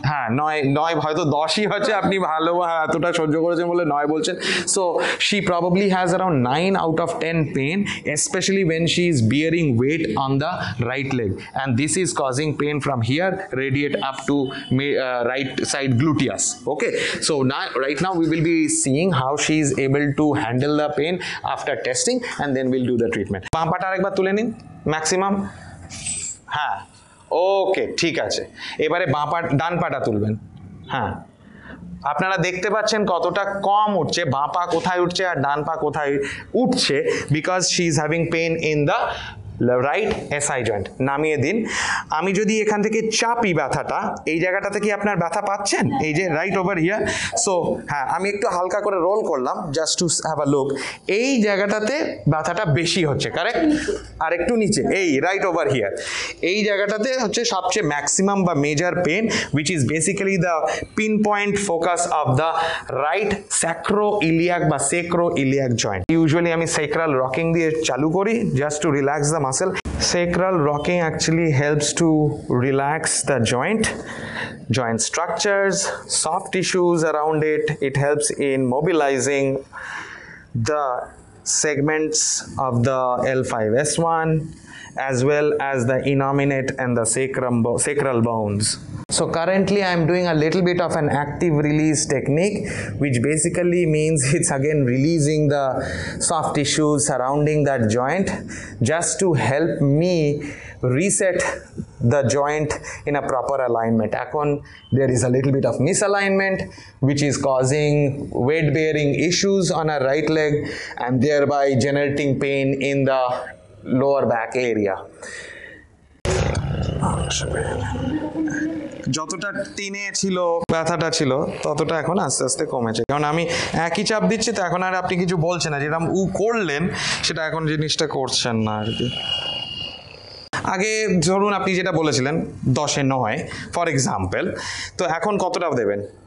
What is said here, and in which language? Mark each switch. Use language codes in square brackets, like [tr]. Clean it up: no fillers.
[bn] হ্যাঁ, 9 হয়তো 10ই হচ্ছে, আপনি ভালো এতটা সহ্য করেছেন বলে 9 বলছেন। [en] So she probably has around 9 out of 10 pain, especially when she is bearing weight on the right leg, and this is causing pain from here radiate up to right side gluteal. Okay, so now right now we will be seeing how she is able to handle the pain after testing and then we'll do the treatment. [bn] Pampata ar ekbar tule nin maximum. Ha, okay, thik ache. Ebare ba pa dan pa ta tulben. Ha, আপনারা দেখতে পাচ্ছেন কতটা কম উঠছে, বাঁ পা কোথায় উঠছে আর ডান পা কোথায় উঠছে, [en] Because she is having pain in the right SI joint. [bn] নামিয়ে দিন, আমি যদি এখান থেকে চাপি ব্যথাটা, এই জায়গাটাতে কি আপনার ব্যথা পাচ্ছেন, এই যে [en] Right over here? [bn] সো হ্যাঁ, আমি একটু হালকা করে রোল করলাম [en] just to have a look, [bn] এই জায়গাটাতে ব্যথাটা বেশি হচ্ছে, কারেক্ট? আর একটু নিচে, এই [en] right over here, [bn] এই জায়গাটাতে হচ্ছে সবচেয়ে ম্যাক্সিমাম বা major pen, [en] which is basically the pinpoint focus of the right sacroiliac [bn] বা সেক্রো ইলিয়াক জয়েন্ট। ইউজুয়ালি আমি সেক্রাল রকিং দিয়ে চালু করি [en] Just to relax the muscle. Sacral rocking actually helps to relax the joint, joint structures, soft tissues around it. It helps in mobilizing the segments of the L5-S1 as well as the innominate and the sacral bones. So currently I am doing a little bit of an active release technique, which basically means it's again releasing the soft tissues surrounding that joint just to help me reset the joint in a proper alignment. Akon, there is a little bit of misalignment which is causing weight bearing issues on our right leg and thereby generating pain in the lower back area. [bn] যতটা টিনে ছিল ব্যথাটা ছিল ততটা এখন আস্তে আস্তে কমেছে, কারণ আমি একই চাপ দিচ্ছি, তো এখন আর আপনি কিছু বলছেন না, যেরকম উ করলেন সেটা এখন জিনিসটা করছেন না আর কি। আগে ধরুন আপনি যেটা বলেছিলেন 10-এ 9 [en] for example, [bn] তো এখন কতটা দেবেন?